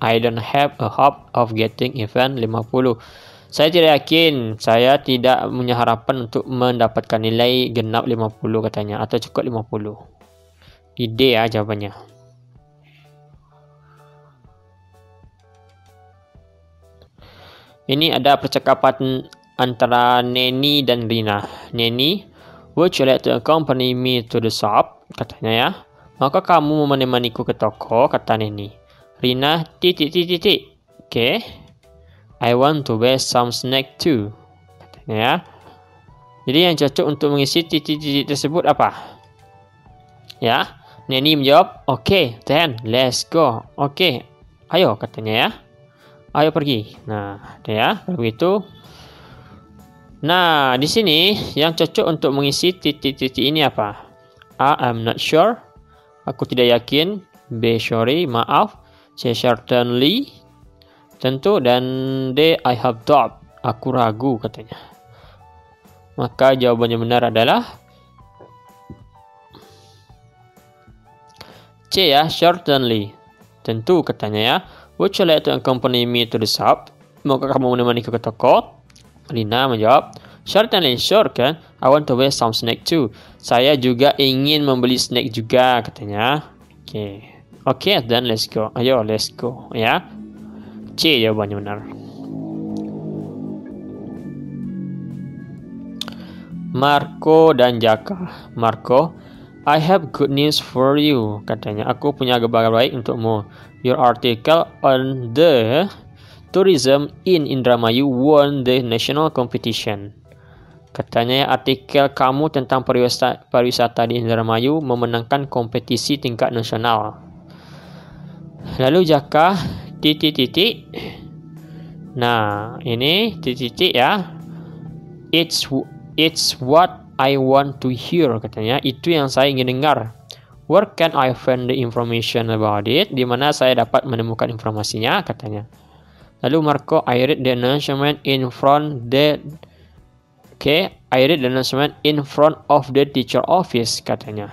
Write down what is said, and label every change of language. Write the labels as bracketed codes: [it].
[en] I don't have a hope of getting even 50. [id] Saya tidak yakin, saya tidak punya harapan untuk mendapatkan nilai genap 50 katanya, atau cukup 50. Di D ya jawabannya. Ini ada percakapan antara Neni dan Rina. [en] Neni, would you like to accompany me to the shop? [id] Katanya ya. Maka kamu menemaniku ke toko, kata Neni. Rina, titik. Oke. Okay. [en] I want to buy some snack too. [id] Katanya ya. Jadi yang cocok untuk mengisi titik-titik tersebut apa? Ya. Neni menjawab, [en] okay, then let's go. [id] Okay. Ayo, katanya ya. Ayo pergi. Nah, ya. Begitu. Nah, di sini yang cocok untuk mengisi titik-titik ini apa? A, [en] I'm not sure. [id] Aku tidak yakin. B, [en] sorry, [id] maaf. [en] C, certainly. [id] Tentu, dan [en] D, I have doubt. [id] Aku ragu, katanya. Maka jawabannya benar adalah C ya, [en] certainly. [id] Tentu, katanya ya. [en] Would you like to accompany me to the shop? [id] Maka kamu menemani ke toko? Rina menjawab, [en] certainly, sure [id] kan? [en] I want to buy some snack too. [id] Saya juga ingin membeli snack juga, katanya. [en] Oke, okay. Okay, then let's go. [id] Ayo, [en] let's go, ya. [id] C jawabannya benar. [en] Marco dan Jaka. Marco, I have good news for you. [id] Katanya, aku punya kabar baik untukmu. [en] Your article on the tourism in Indramayu won the national competition. [id] Katanya, artikel kamu tentang pariwisata di Indramayu memenangkan kompetisi tingkat nasional. Lalu Jaka, titik-titik. Nah, ini titik-titik ya. [en] It's what I want to hear, [id] katanya. Itu yang saya ingin dengar. [en] Where can I find the information about it? [id] Di mana saya dapat menemukan informasinya, katanya. Lalu Marco, [en] I read the announcement in front the teacher office, [id] katanya.